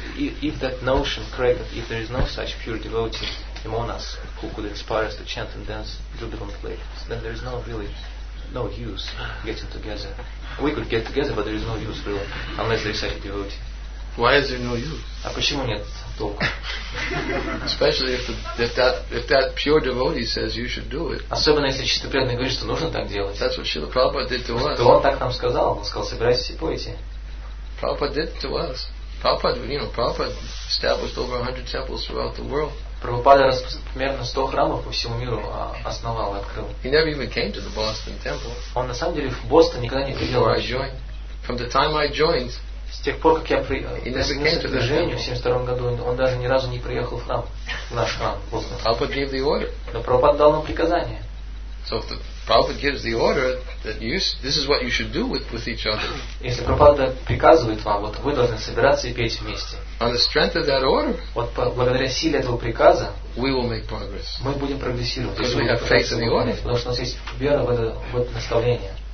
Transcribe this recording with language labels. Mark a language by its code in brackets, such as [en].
[en] If that notion correct, that if there is no such pure devotee among us who could inspire us to chant and dance jubilantly, then there is no really no use getting together. We could get together, but there is no use really, unless there is such a devotee. Why is there no use? [ru] А почему нет толку? [en] Especially if that pure devotee says you should do it. [ru] Особенно если чистый преданный говорит, что нужно так делать. [en] That's what Srila Prabhupada did to us. [ru] То он так нам сказал. Он сказал, собирайтесь и пойте. [en] Prabhupada did it to us. Prabhupada established over 100 temples throughout the world. [ru] Прабхупада примерно 100 храмов по всему миру основал и открыл. [en] He never even came to the Boston temple. [ru] Он на самом деле в Бостон никогда не приехал. [en] Before I joined. From the time I joined. [ru] С тех пор, как я присоединился к движению в 72 году, он даже ни разу не приехал в храм, в наш храм, в Бостон. [en] Prabhupada gave the order. [ru] Но Прабхупада дал нам приказание. [en] So if the Prabhupada gives the order that you, this is what you should do with each other. [ru] Если Прабхупада приказывает вам, вот вы должны собираться и петь вместе. [en] On the strength of that order. [ru] Вот благодаря силе этого приказа. [en] We will make progress. [ru] Мы будем прогрессировать. [en] Because we have faith in the order. [ru] Потому что у нас есть вера в это вот наставление.